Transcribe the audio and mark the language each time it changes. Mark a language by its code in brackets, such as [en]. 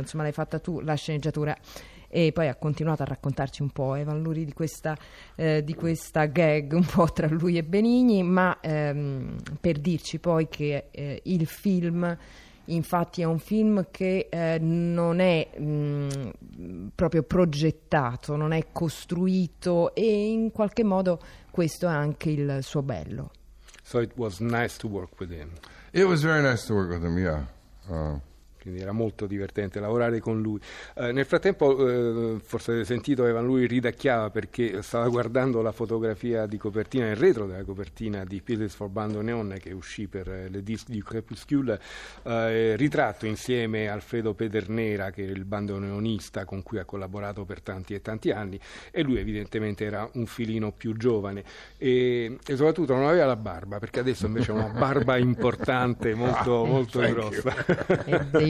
[it] Insomma, l'hai fatta tu la sceneggiatura." E poi ha continuato a raccontarci un po', Evan Lurie, di questa gag un po' tra lui e Benigni, ma per dirci poi che il film, infatti, è un film che non è proprio progettato, non è costruito, e in qualche modo questo è anche il suo bello. [en] So it was nice to work with him. It was very nice to work with him, yeah. [it] Quindi era molto divertente lavorare con lui. Nel frattempo, forse avete sentito, Evan Lurie ridacchiava perché stava guardando la fotografia di copertina, il retro della copertina di Pieces for Bandoneon, che uscì per le disc di Crepuscule, ritratto insieme a Alfredo Pedernera, che è il bandoneonista con cui ha collaborato per tanti e tanti anni, e lui evidentemente era un filino più giovane, e soprattutto non aveva la barba, perché adesso invece ha una barba importante, molto, molto grossa.